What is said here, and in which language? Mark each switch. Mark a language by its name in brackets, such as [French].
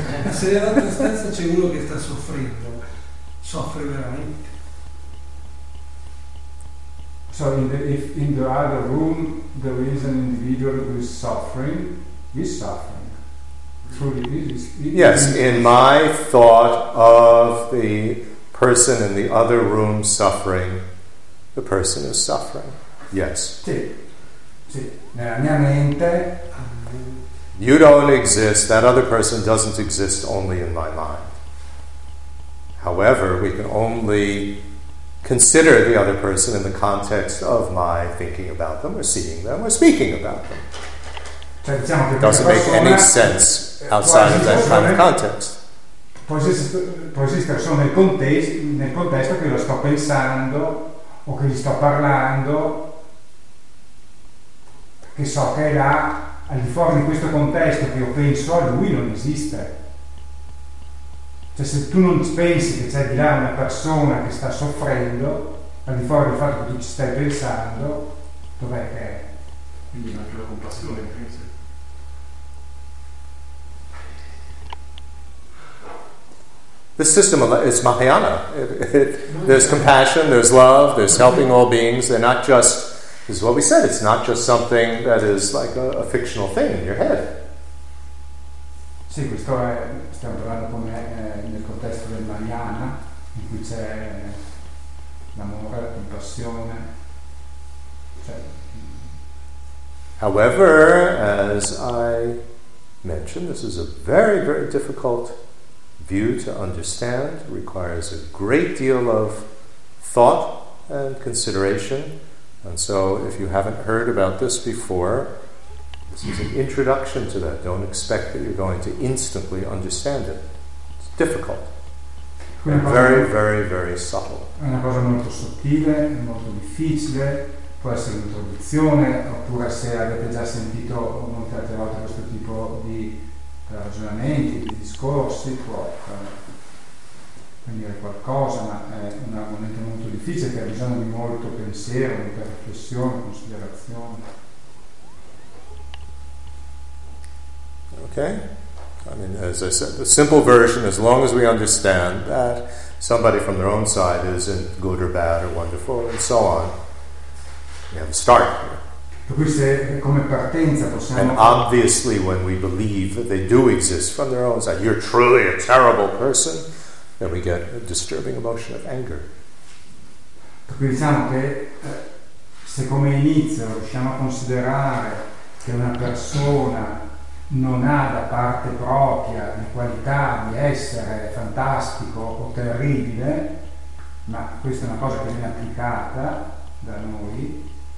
[Italian] Se nella tua stanza c'è uno che sta soffrendo, soffre veramente. [English] So if in the other room there is an individual who is suffering, he's suffering. Yes, in my thought of the person in the other room suffering, the person is suffering. Yes. [Italian] Nella mia mente. [English] You don't exist, that other person doesn't exist only in my mind. However, we can only consider the other person in the context of my thinking about them, or seeing them, or speaking about them. [Italian] Cioè, diciamo che [English] doesn't make any sense outside of that kind of context. [Italian] Può esistere solo nel contesto che lo sto pensando o che gli sto parlando, che so che è là, al di fuori di questo contesto che io penso a lui non esiste. Cioè, se tu non pensi che c'è di là una persona che sta soffrendo, al di fuori del fatto che tu ci stai pensando, dov'è che è? Quindi anche la compassione in sé. [English] The system is Mahayana. There's compassion, there's love, there's helping all beings. They're not just, this is what we said, it's not just something that is like a fictional thing in your head. [Italian] Sì, questo è, stiamo parlando come nel contesto del Mahayana, in cui c'è l'amore, la compassione. Cioè. [English] However, as I mentioned, this is a very, very difficult view to understand, requires a great deal of thought and consideration. And so if you haven't heard about this before, this is an introduction to that. Don't expect that you're going to instantly understand it. It's difficult. And very, very, very subtle. [Italian] È una cosa molto sottile, molto difficile, può essere un'introduzione, oppure se avete già sentito molte altre volte questo tipo di ragionamenti, di discorsi, può venire qualcosa, ma è un argomento molto difficile che ha bisogno di molto pensiero, molta riflessione, considerazione. Ok? [English] I mean, as I said, the simple version, as long as we understand that somebody from their own side isn't good or bad or wonderful and so on, we have a start here. And obviously when we believe that they do exist from their own side, you're truly a terrible person, then we get a disturbing emotion of anger. [Italian] Per cui diciamo che se come inizio riusciamo a considerare che una persona non ha da parte propria la qualità di essere fantastico o terribile, ma questa è una cosa che viene applicata da noi,